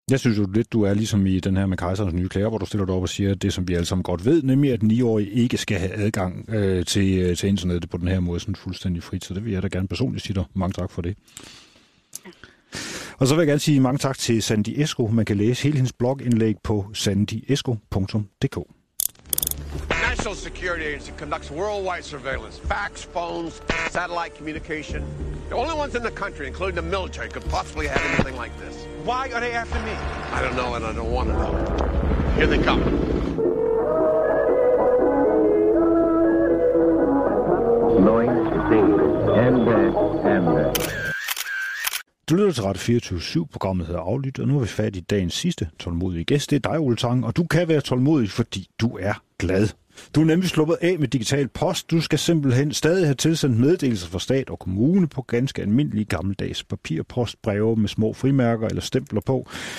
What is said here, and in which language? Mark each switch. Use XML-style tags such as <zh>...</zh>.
<da>Jeg synes jo lidt, du er ligesom i den her med Kejserens nye klæder, hvor du stiller dig op og siger det, som vi alle sammen godt ved, nemlig at 9-årige ikke skal have adgang til internettet på den her måde, sådan fuldstændig frit. Så det vil jeg da gerne personligt sige dig. Mange tak for det. Og så vil jeg gerne sige mange tak til Sandy Esko. Man kan læse hele hendes blogindlæg på sandyesko.dk.</da> <en>National Security Agency conducts worldwide surveillance. Facts, phones, satellite communication. The only ones in the country, including the military, could possibly have anything like this. Why are they after me? I don't know, and I don't want to know. Here they come. Knowing, seeing, and dead, and dead.</en> <da>Du lytter til Radio 24/7, programmet hedder Aflyt, og nu er vi fat i dagens sidste tålmodige gæst. Det er dig, Ole Tang, og du kan være tålmodig, fordi du er glad. Du er nemlig sluppet af med digital post. Du skal simpelthen stadig have tilsendt meddelelser fra stat og kommune på ganske almindelige gammeldags papirpostbreve med små frimærker eller stempler på.</da>